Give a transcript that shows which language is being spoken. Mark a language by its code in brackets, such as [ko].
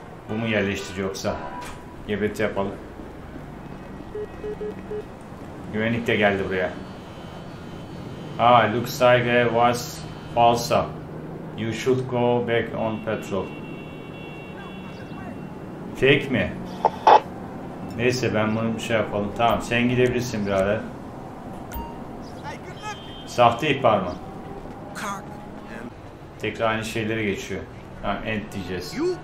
[tr] Bu mu yerleştirici yoksa? Gebet yapalım. Güvenlik de geldi buraya. [en] Ah, looks like it was false. You should go back on patrol. [tr] Fake mi? Neyse ben bunu bir şey yapalım. Tamam sen gidebilirsin birader. Sahte ihbar mı? Tekrar aynı şeylere geçiyor. Tamam end diyeceğiz.